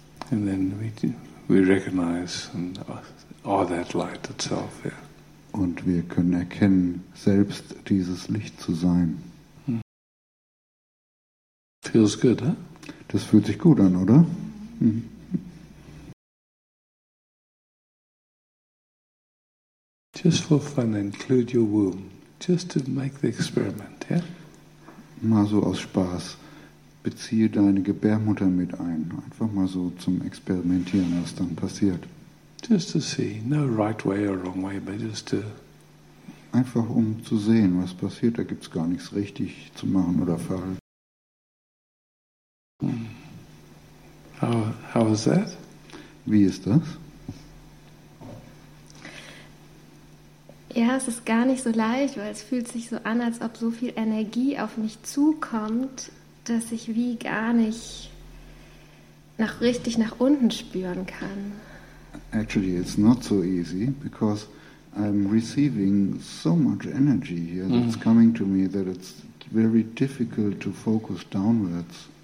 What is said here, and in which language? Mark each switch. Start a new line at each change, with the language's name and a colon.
English: And then we recognize and are that light itself, yeah.
German: Und wir können erkennen, selbst dieses Licht zu sein.
English: Feels good, huh?
German: Das fühlt sich gut an, oder?
English: Just for fun, include your womb. Just to make the experiment, yeah?
German: Mal so aus Spaß, beziehe deine Gebärmutter mit ein. Einfach mal so zum Experimentieren, was dann passiert.
English: Just to see, no right way or wrong way, but just to...
German: Einfach um zu sehen, was passiert. Da gibt's gar nichts richtig zu machen oder falsch.
English: How is that?
German: Wie ist das? Ja, es ist gar nicht so leicht, weil es fühlt sich so an, als ob so viel Energie auf mich zukommt, dass ich wie gar nicht noch richtig nach unten spüren kann.
English: Actually, it's not so easy, because I'm receiving so much energy here that's coming to me that it's very difficult to focus downwards.